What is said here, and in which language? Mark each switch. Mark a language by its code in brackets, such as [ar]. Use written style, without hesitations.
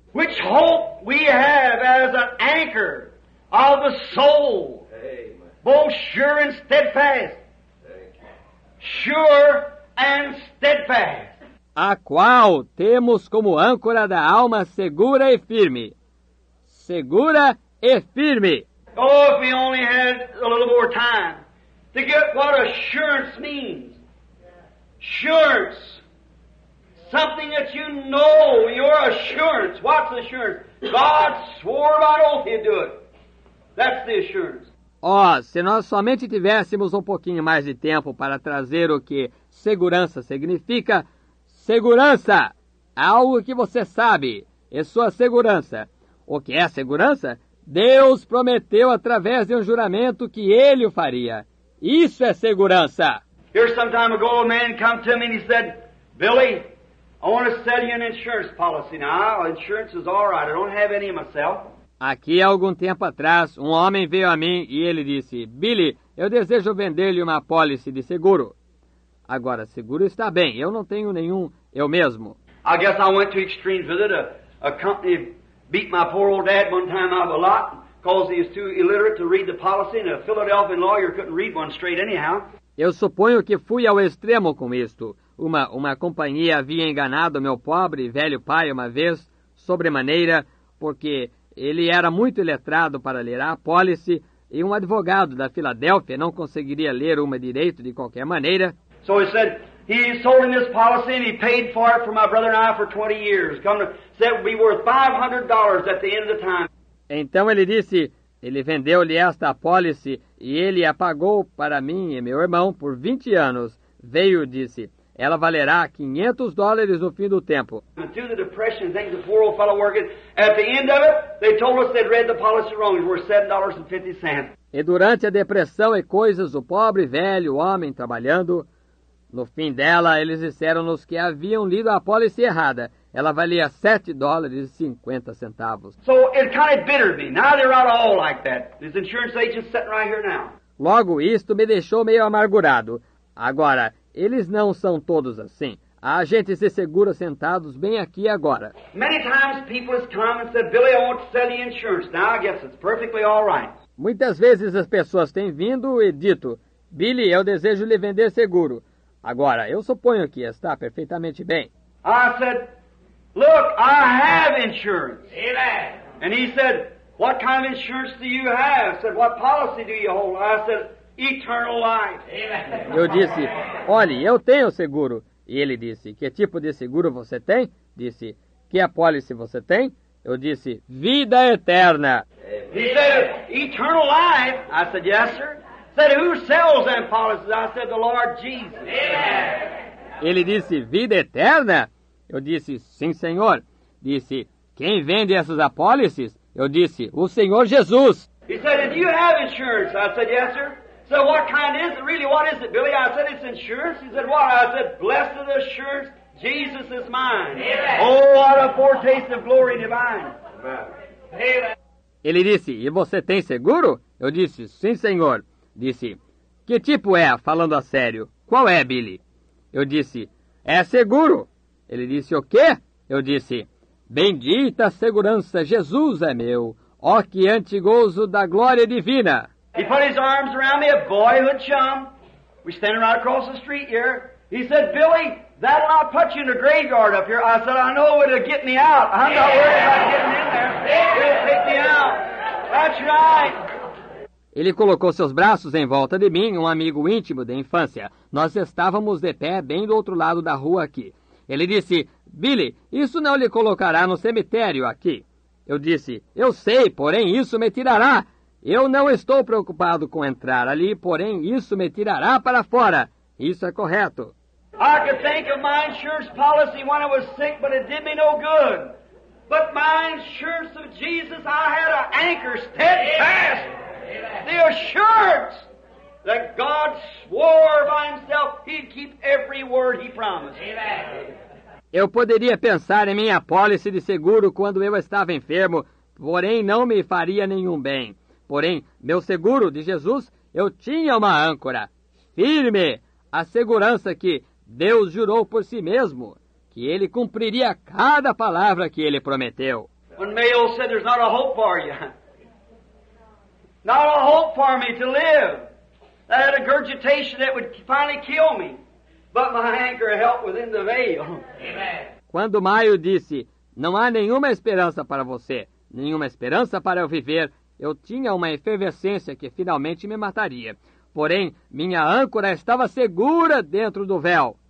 [en] Which hope we have as an anchor of the soul, both sure and steadfast. Sure and steadfast. [pt] A qual temos como âncora da alma segura e firme. Segura e firme. [en] Oh, if we only had a little more time to get what assurance means. Assurance. Something that you know, your assurance. What's assurance? God swore by oath he'd do it. That's the assurance. [pt] Oh, se nós somente tivéssemos um pouquinho mais de tempo para trazer o que segurança significa. Segurança. Algo que você sabe. É sua segurança. O que é a segurança? Deus prometeu através de um juramento que ele o faria. Isso é segurança. [en] Here some time ago a man came to me and he said, Billy, I want to sell you an insurance policy. Now, insurance is all right. I don't have any myself. [pt] Aqui algum tempo atrás, um homem veio a mim e ele disse, Billy, eu desejo vender-lhe uma apólice de seguro. Agora, seguro está bem. Eu não tenho nenhum eu mesmo. [en] I guess I went to extreme visit a company beat my poor old dad one time out of a lot because he was too illiterate to read the policy and a Philadelphia lawyer couldn't read one straight anyhow. [pt] Eu suponho que fui ao extremo com isto. Uma companhia havia enganado meu pobre velho pai uma vez, sobremaneira, porque ele era muito letrado para ler a apólice e um advogado da Filadélfia não conseguiria ler uma direito de qualquer maneira. [en] So he said, he sold him this policy and he paid for it for my brother and I for 20 years. Come to, said it would be worth $500 at the end of the time. [pt] Então ele disse, ele vendeu-lhe esta apólice e ele a pagou para mim e meu irmão por 20 anos. Veio e disse, ela valerá $500 no fim do tempo. [en] Through the depression, thanks to poor old fellow working, at the end of it, they told us they'd read the policy wrong. It was worth $7.50. [pt] E durante a depressão e coisas, o pobre velho homem trabalhando, no fim dela, eles disseram-nos que haviam lido a apólice errada. Ela valia 7 dólares e 50 centavos. [en] So it kind of bittered me. Now they're out all like that. This insurance agent's sitting right here now. [pt] Logo, isto me deixou meio amargurado. Agora, eles não são todos assim. Há agentes de seguro sentados bem aqui agora. [en] Many times people have come and said, Billy, I want to sell the insurance. Now I guess it's perfectly all right. [pt] Muitas vezes as pessoas têm vindo e dito, Billy, eu desejo lhe vender seguro. Agora, eu suponho que está perfeitamente bem. [en] I said, look, I have insurance. Amen. And he said, what kind of insurance do you have? I said, what policy do you hold? I said, eternal life. Amen. [pt] Eu disse, olhe, eu tenho seguro. E ele disse, que tipo de seguro você tem? Disse, que apólice você tem? Eu disse, vida eterna. [en] He said, eternal life. I said, yes, sir. Said, who sells them policies? I said, the Lord Jesus. Amen. [pt] Ele disse, vida eterna? Eu disse, sim, senhor. Disse, quem vende essas apólices? Eu disse, o Senhor Jesus. [en] He said, do you have insurance? I said, yes, sir. So what kind is it? Really, what is it, Billy? I said, it's insurance. He said, what? I said, blessed assurance, Jesus is mine. Amen. Oh, what a foretaste of glory divine. Amen. [pt] Ele disse, e você tem seguro? Eu disse, sim, senhor. Disse, que tipo é, falando a sério? Qual é, Billy? Eu disse, é seguro. Ele disse, o quê? Eu disse, bendita segurança, Jesus é meu. Ó que antigozo da glória divina. [en] He put his arms around me, a boyhood chum. We're standing right across the street here. He said, Billy, that'll not put you in the graveyard up here. I said, I know it'll get me out. I'm not worried about getting in there. It'll take me out. That's right. [pt] Ele colocou seus braços em volta de mim, um amigo íntimo da infância. Nós estávamos de pé bem do outro lado da rua aqui. Ele disse, Billy, isso não lhe colocará no cemitério aqui. Eu disse, eu sei, porém isso me tirará. Eu não estou preocupado com entrar ali, porém isso me tirará para fora. Isso é correto. [en] I could think of my insurance policy when I was sick, but it did me no good. But my insurance of Jesus, I had an anchor steadfast. The assurance that God swore by himself he'd keep every word he promised. Amen. [pt] Eu poderia pensar em minha apólice de seguro quando eu estava enfermo, porém não me faria nenhum bem. Porém, meu seguro de Jesus, eu tinha uma âncora firme, a segurança que Deus jurou por si mesmo, que ele cumpriria cada palavra que ele prometeu. [en] When Mayo said there's not a hope for you. Not a hope for me to live. I had a regurgitation that would finally kill me. But my anchor helped within the veil. Amen. [pt] Quando Mayo disse, não há nenhuma esperança para você, nenhuma esperança para eu viver, eu tinha uma efervescência que finalmente me mataria. Porém, minha âncora estava segura dentro do véu.